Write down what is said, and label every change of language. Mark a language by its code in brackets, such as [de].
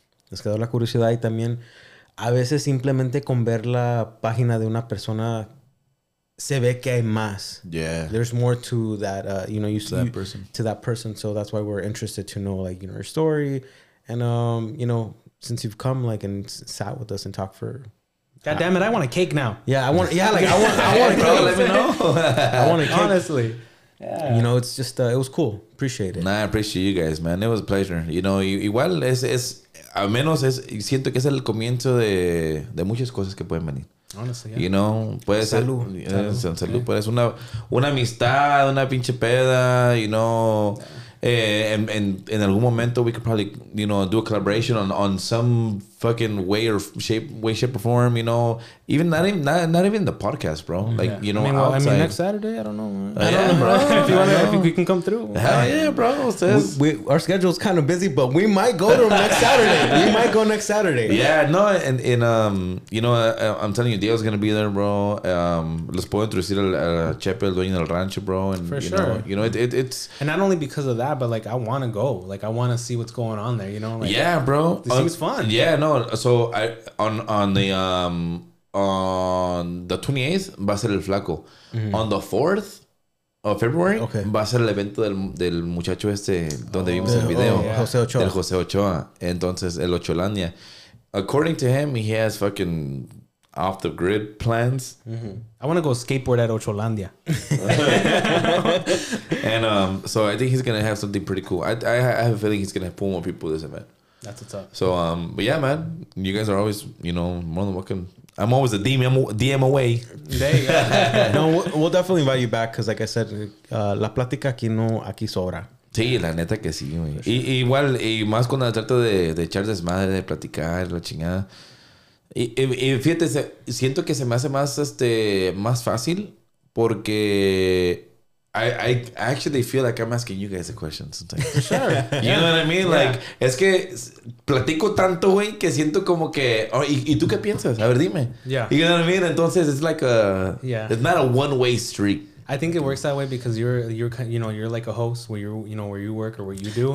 [es] Nos quedó la curiosidad y también a veces simplemente con ver la página de una persona se ve que hay más. [en] Yeah. There's more to that, you know, you see to that person. To that person. So that's why we're interested to know, like, you know, your story. And, you know, since you've come, like, and sat with us and talked for... God damn it, I want a cake now. Yeah, I want... Yeah, like, I want a cake. Let me know. I want a cake. Honestly. Yeah. You know, it's just... it was cool. Appreciate it. Nah, I appreciate you guys, man. It was a pleasure. You know, [es] igual es... Al menos es... Siento que es el comienzo de muchas cosas que pueden venir. [en] Honestly, yeah. You know, [es] puede ser... Salud. Salud. Puede ser una amistad, una pinche peda, [en] you know... Yeah. In [es] algún momento [en] we could probably, you know, do a collaboration on some fucking way, shape, or form, you know. Even not the podcast, bro. Like, yeah. You know, I mean, next Saturday, I don't know. Bro. If we can come through. Hell yeah, bro. Our schedule is kind of busy, but we might go to next Saturday. Yeah, no, and you know, I'm telling you, Diego's gonna be there, bro. [es] Les puedo introducir al Chepe, el dueño del rancho, bro. [en] And, for you sure. Know, you know, it's and not only because of that, but like I want to go. Like I want to see what's going on there. You know, like, yeah, bro. This seems fun. Yeah, no. So on the 28th [es] va a ser el flaco. [en] Mm-hmm. On the 4th of February [es] va a ser el evento del muchacho este donde vimos el video. José Ochoa. Del José Ochoa. Entonces, el Ocholandia. [en] According to him, he has fucking off the grid plans. Mm-hmm. I want to go skateboard at Ocholandia. And so I think he's going to have something pretty cool. I have a feeling he's going to pull more people to this event. That's what's up. So, but yeah, man, you guys are always, you know, more than welcome. I'm always a DM away. There you go. No, we'll definitely invite you back because, like I said, [es] la plática aquí no aquí sobra. Sí, la neta que sí, güey. Sure. Igual, y más cuando trato de echar desmadre, de platicar, la chingada. Y fíjate, siento que se me hace más, más fácil porque... [en] I actually feel like I'm asking you guys a question sometimes. Sure. You know what I mean? Yeah. Like, [es] es que platico tanto, güey, que siento como que... Oh, ¿y tú qué piensas? A ver, dime. [en] Yeah. You know what I mean? Entonces, it's like a... Yeah. It's not a one-way street. I think it works that way because you're like a host where you're, you know, where you work or where you do.